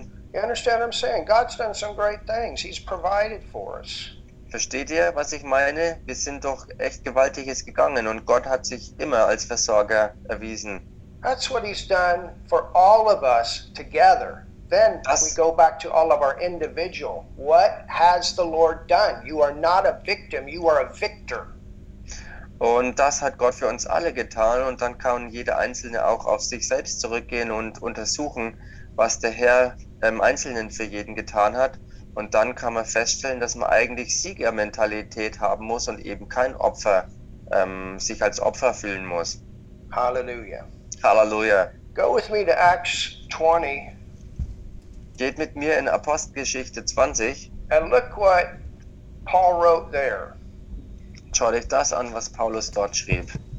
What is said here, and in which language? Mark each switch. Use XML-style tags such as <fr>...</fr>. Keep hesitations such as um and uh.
<en>You understand what I'm saying? God's done some great things. He's provided for us.</en> <de>Versteht ihr, was ich meine? Wir sind doch echt gewaltiges gegangen und Gott hat sich immer als Versorger erwiesen.</de> <en>That's what he's done for all of us together. Then we go back to all of our individual. What has the Lord done? You are not a victim, you are a victor.</en> <de>Und das hat Gott für uns alle getan. Und dann kann jeder Einzelne auch auf sich selbst zurückgehen und untersuchen, was der Herr im Einzelnen für jeden getan hat. Und dann kann man feststellen, dass man eigentlich Siegermentalität haben muss und eben kein Opfer, ähm, sich als Opfer fühlen muss. Halleluja. Halleluja.</de> <en>Go with me to Acts 20.</en> <de>Geht mit mir in Apostelgeschichte 20.</de> <en>And look what Paul wrote there.</en> <de>Schaut euch das an, was Paulus dort schrieb.</de>